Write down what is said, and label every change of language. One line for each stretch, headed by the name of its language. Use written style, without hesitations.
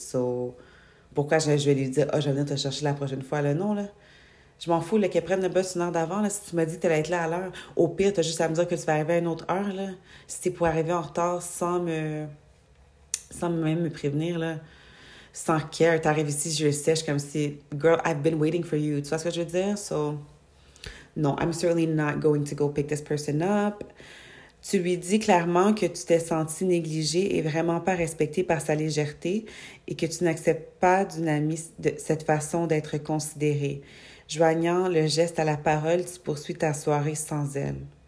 French: So, pourquoi je vais lui dire « Ah, oh, je vais venir te chercher la prochaine fois. » Là, non, là. Je m'en fous, là, qu'elle prenne le bus une heure d'avant, là, si tu m'as dit que t'allais être là à l'heure. Au pire, t'as juste à me dire que tu vas arriver à une autre heure, là. Si t'es pour arriver en retard sans même me prévenir, là. Sans care, t'arrives ici, je sèche comme si...
English: Girl, I've been waiting for you.
French: Tu vois ce que je veux dire?
English: So, non, I'm certainly not going to go pick this person up.
French: Tu lui dis clairement que tu t'es senti négligée et vraiment pas respectée par sa légèreté et que tu n'acceptes pas d'une amie de cette façon d'être considérée. Joignant le geste à la parole, tu poursuis ta soirée sans elle.